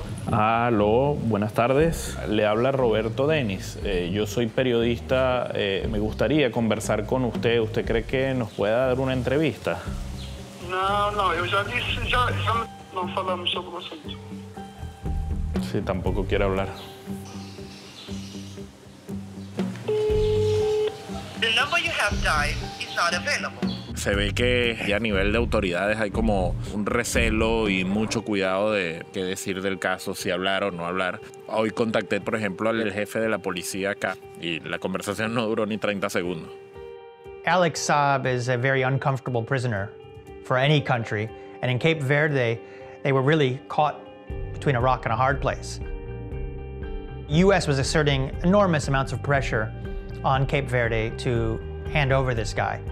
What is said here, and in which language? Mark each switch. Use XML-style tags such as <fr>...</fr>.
<es>Aló, buenas tardes. Le habla Roberto Denis. Yo soy periodista. Me gustaría conversar con usted. ¿Usted cree que nos pueda dar una entrevista? No, yo ya dije, ya no hablamos sobre eso. Sí, tampoco quiere hablar.</es> <en>The number you have dialed is not available.</en> <es>Se ve que ya a nivel de autoridades hay como un recelo y mucho cuidado de qué decir del caso, si hablar o no hablar. Hoy contacté, por ejemplo, al jefe de la policía acá y la conversación no duró ni 30 segundos.</es> <en>Alex Saab is a very uncomfortable prisoner for any country, and in Cape Verde, they were really caught between a rock and a hard place. US was exerting enormous amounts of pressure on Cape Verde to hand over this guy.</en>